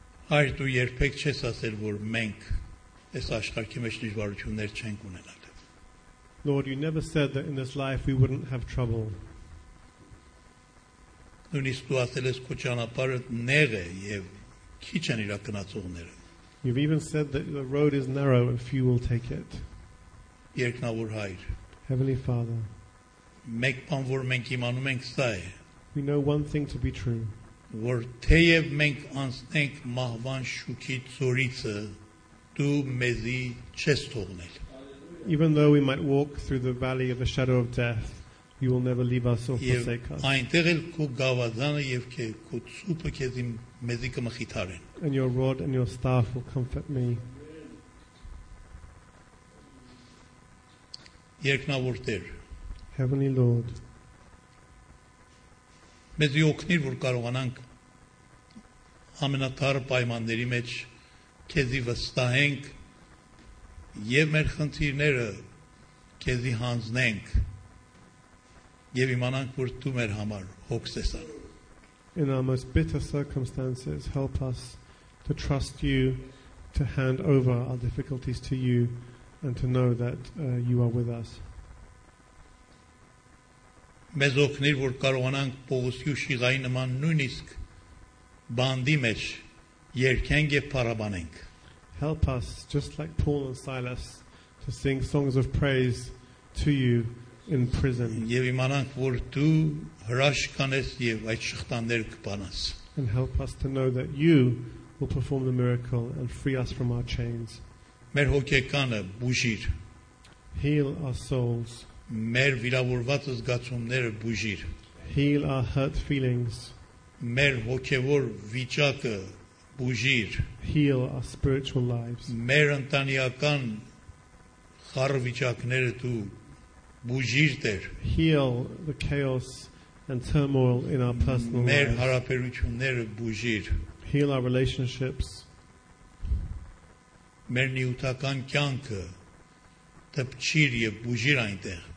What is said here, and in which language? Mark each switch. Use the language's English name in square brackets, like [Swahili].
[Armenian] Հայր, դու երբեք չես ասել, որ մենք այս աշխարհի մեջ դժվարություններ չենք ունենալ։ [English] Lord, you never said that in this life we wouldn't have trouble. [Armenian] Նույնիսկ դու ասել ես, որ ճանապարհը նեղ է և քիչ են իրականացողները։ [English] You've even said that the road is narrow and few will take it. [Armenian] Երկնավոր Հայր, [English] Heavenly Father, [Armenian] մեկ բան, որ մենք իմանում ենք, սա է։ [English] We know one thing to be true. [Armenian] Որ թեև մենք անցնենք մահվան շուքի ծորիցը, դու մեզի չես թողնել. [English] Even though we might walk through the valley of the shadow of death, you will never leave us or forsake us. [Armenian] Այնտեղ էլ քո գավազանը և քո ծուպը քեզ մեզի կմխիթարեն. [English] And your rod and your staff will comfort me. [Armenian] Երկնավոր Տեր, [English] Heavenly Lord, [Armenian] մեզ օգնիր, որ կարողանանք ամենաթարմ պայմանների մեջ քեզի վստահենք և մեր խնդիրները քեզի հանձնենք և իմանանք, որ դու մեր համար հոգս ես անում. [English] In our most bitter circumstances, help us to trust you, to hand over our difficulties to you, and to know that you are with us. [Armenian] Մեզ օգնիր, որ կարողանանք Պողոսի ու Շիղայի նման նույնիսկ բանդի մեջ երգենք և փառաբանենք. [English] Help us, just like Paul and Silas, to sing songs of praise to you in prison. [Armenian] Եվ իմանանք, որ դու հրաշք կանես և այդ շղթաներ կբանաս. [English] And help us to know that you will perform the miracle and free us from our chains. [Armenian] Մեր հոգեկանը բուժիր. [English] Heal our souls. [Armenian] Մեր վիրավորված զգացումները բուժիր. [English] Heal our hurt feelings. [Armenian] Մեր հոգևոր վիճակը բուժիր. [English] Heal our spiritual lives. [Armenian] Մեր ընտանիական խառը վիճակները դու բուժիր դեր. [English] Heal the chaos and turmoil in our personal lives. [Armenian] Մեր հարաբերությունները բուժիր. [English] Heal our relationships. [Armenian] Մեր նյութական կյանքը տպչիր և բուժիր այնտեղ.